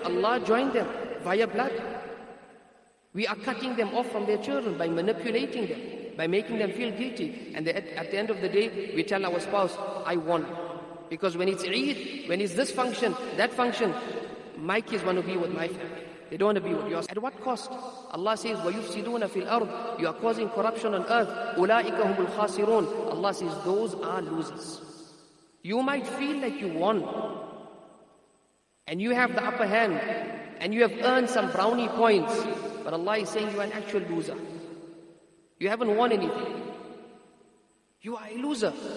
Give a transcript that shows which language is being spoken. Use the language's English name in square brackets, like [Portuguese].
[English] Allah joined them via blood. We are cutting them off from their children by manipulating them, by making them feel guilty. And at the end of the day, we tell our spouse, I won. Because when it's Eid, when it's this function, that function, my kids want to be with my family. They don't want to be with yours. At what cost? Allah says, [Arabic] وَيُفْسِدُونَ فِي الْأَرْضِ. [English] You are causing corruption on earth. [Arabic] أُولَٰئِكَ هُمُ الْخَاسِرُونَ. [English] Allah says, those are losers. You might feel like you won. And you have the upper hand. And you have earned some brownie points. But Allah is saying you are an actual loser. You haven't won anything. You are a loser.